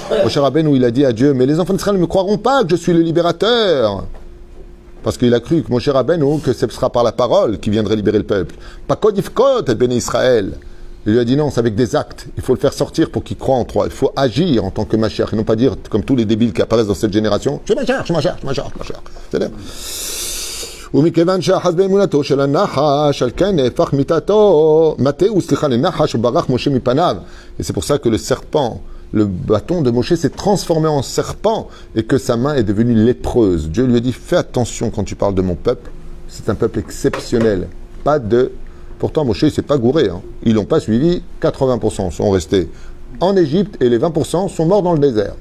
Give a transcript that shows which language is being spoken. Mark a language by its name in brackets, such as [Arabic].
[French] Moshe Rabbeinu, il a dit à Dieu, mais les enfants d'Israël ne me croiront pas que je suis le libérateur. Parce qu'il a cru que Moshe Rabbeinu, que ce sera par la parole qui viendrait libérer le peuple. [Hebrew] Pakod yifkot et béni Israël. [French] Il lui a dit non, c'est avec des actes. Il faut le faire sortir pour qu'il croit en toi. Il faut agir en tant que Mashiach, et non pas dire comme tous les débiles qui apparaissent dans cette génération. Je suis Mashiach, je suis Mashiach. C'est-à-dire [Hebrew] ומכיוון שאחז באמונתו של הנחש, על כן נהפך מיטתו, מתאו, סליחה, לנחש, וברח משה מפניו. [French] Et c'est pour ça que le serpent, le bâton de Moshe s'est transformé en serpent et que sa main est devenue lépreuse. Dieu lui a dit, fais attention quand tu parles de mon peuple. C'est un peuple exceptionnel. Pas de... Pourtant, Moshe, il ne s'est pas gouré. Hein. Ils ne l'ont pas suivi. 80% sont restés en Égypte et les 20% sont morts dans le désert.